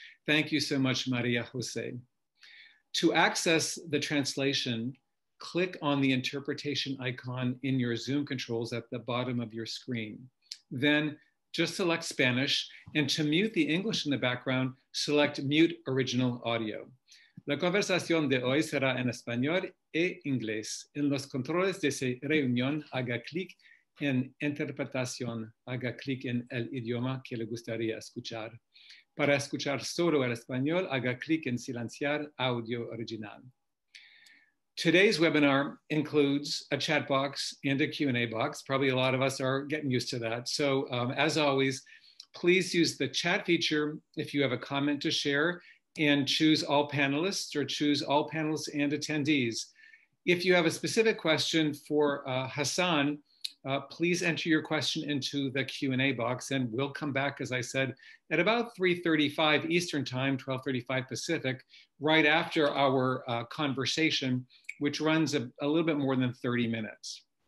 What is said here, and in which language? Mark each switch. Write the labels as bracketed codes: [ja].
[en] Thank you so much, Maria Jose. To access the translation, click on the interpretation icon in your Zoom controls at the bottom of your screen. Then just select Spanish, and to mute the English in the background, select Mute Original Audio. [es] La conversación de hoy será en español e inglés. En los controles de reunión, haga clic en interpretación, haga clic en el idioma que le gustaría escuchar. Para escuchar solo el español, haga clic en silenciar audio original. [en] Today's webinar includes a chat box and a Q&A box. Probably a lot of us are getting used to that. So as always, please use the chat feature if you have a comment to share, and choose all panelists or choose all panelists and attendees. If you have a specific question for Hassan, please enter your question into the Q&A box, and we'll come back, as I said, at about 3:35 Eastern time, 12:35 Pacific, right after our conversation, which runs a little bit more than 30 minutes.